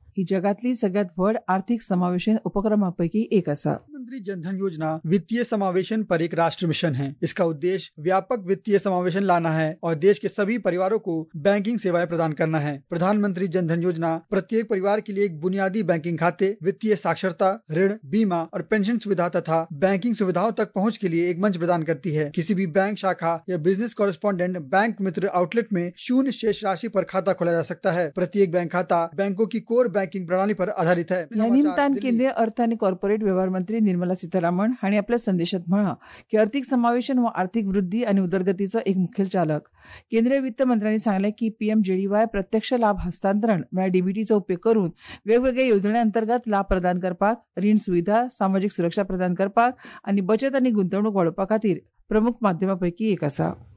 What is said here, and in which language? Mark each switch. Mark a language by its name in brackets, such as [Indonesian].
[Goan Konkani] ही जगातली सगळ्यात व्हड आर्थिक समावेशन उपक्रमापैकी एक असा. [Hindi] प्रधानमंत्री जनधन योजना वित्तीय समावेशन पर एक राष्ट्र मिशन है. इसका उद्देश्य व्यापक वित्तीय समावेशन लाना है और देश के सभी परिवारों को बैंकिंग सेवाएं प्रदान करना है. प्रधानमंत्री जनधन योजना प्रत्येक परिवार के लिए एक बुनियादी बैंकिंग खाते, वित्तीय साक्षरता, ऋण, बीमा और पेंशन सुविधा तथा बैंकिंग सुविधाओं तक पहुँच के लिए एक मंच प्रदान करती है. किसी भी बैंक शाखा या बिजनेस कॉरेस्पॉन्डेंट बैंक मित्र आउटलेट में शून्य शेष राशि पर खाता खोला जा सकता है. प्रत्येक बैंक खाता बैंकों की कोर बैंकिंग प्रणाली पर आधारित है. [Goan Konkani] निमतान केंद्रीय अर्थ आणि कॉर्पोरेट व्यवहार मंत्री निर्मला सीतारामन हांणी आपल्या संदेशात म्हळा की आर्थिक समावेशन व आर्थिक वृद्धी आणि उदरगतीचं एक मुख्य चालक. केंद्रीय वित्त मंत्र्यांनी सांगले की PMJDY प्रत्यक्ष लाभ हस्तांतरण म्हणजे DBTचा उपयोग करून वेगवेगळ्या योजनेअंतर्गत लाभ प्रदान करपाक, ऋण सुविधा, सामाजिक सुरक्षा प्रदान करपाक आणि बचत आणि गुंतवणूक वाढवपा खातीर प्रमुख माध्यमापैकी एक असा.